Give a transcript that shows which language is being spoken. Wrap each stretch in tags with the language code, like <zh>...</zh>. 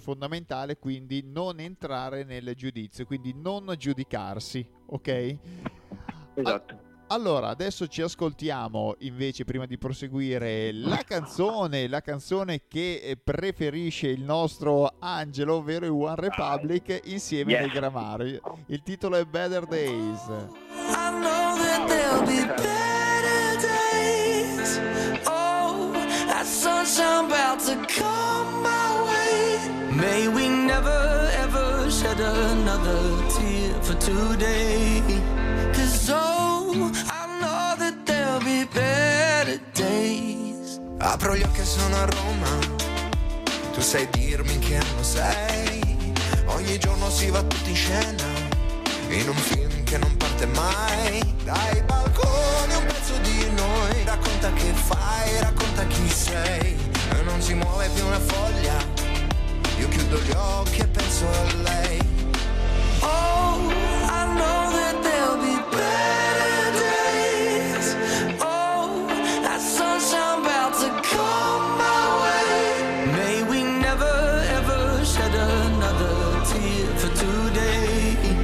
<it>Fondamentale quindi non entrare nel giudizio, quindi non giudicarsi, ok? Esatto. Allora, adesso ci ascoltiamo invece, prima di proseguire, la canzone che preferisce il nostro Angelo, ovvero i One Republic, insieme ai Grammari. Il titolo è Better Days.</it> <en>I know that there'll be better days. Oh, that sunshine about to come my way. May we never ever shed another tear for today. Cause oh, I know that there'll be better days.</en> <it>Apro gli occhi e sono a Roma. Tu sai dirmi che anno sei. Ogni giorno si va tutti in scena in un film che non parte mai. Dai balconi un pezzo di noi. Racconta che fai, racconta chi sei. E non si muove più una foglia. Io chiudo gli occhi e penso a lei.</it> <en>Oh, I know that there'll be better days. Oh, that sunshine about to come my way. May we never ever shed another tear for today.</en>